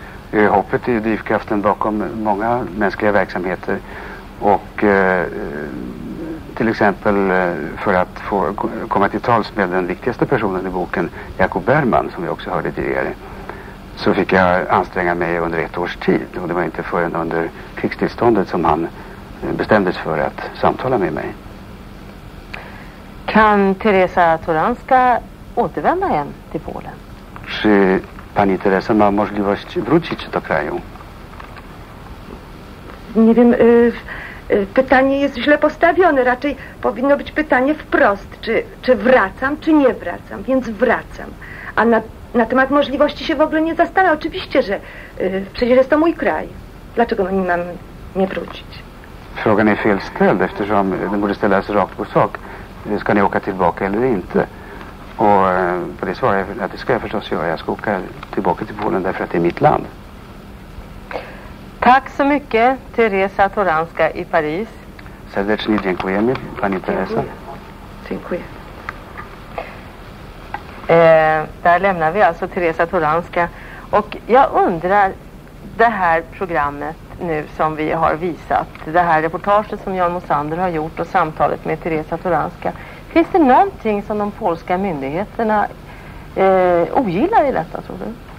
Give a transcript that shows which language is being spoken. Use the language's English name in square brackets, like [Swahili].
[Swedish] Hoppet är drivkraften bakom många mänskliga verksamheter, och till exempel för att få komma till tals med den viktigaste personen i boken, Jakob Bergman, som vi också hörde tidigare, så fick jag anstränga mig under ett års tid, och det var inte förrän under krigstillståndet som han bestämdes för att samtala med mig. Kan Teresa Toranska återvända igen till Polen? [Polish] Czy pani Teresa ma możliwość wrócić do kraju? Nie wiem, pytanie jest źle postawione, raczej powinno być pytanie wprost, czy wracam, czy nie wracam, więc wracam. A na temat możliwości się w ogóle nie zastanę. Oczywiście, że przecież jest to mój kraj. Dlaczego nie mam nie wrócić? [Swedish] Frågan är fel ställd, eftersom den borde ställas rakt på sak. ska ni åka tillbaka eller inte? Och på det svarade jag att det ska jag förstås göra. Jag ska åka tillbaka till Polen därför att det är mitt land. Tack så mycket, Teresa Toranska i Paris. [Polish] Serdecznie dziękujemy, pani Teresa. Dziękuję. [Swedish] Där lämnar vi alltså Teresa Toranska. Och jag undrar, det här programmet nu som vi har visat, det här reportaget som Jan Mosander har gjort och samtalet med Teresa Toranska, finns det någonting som de polska myndigheterna ogillar i detta, tror du?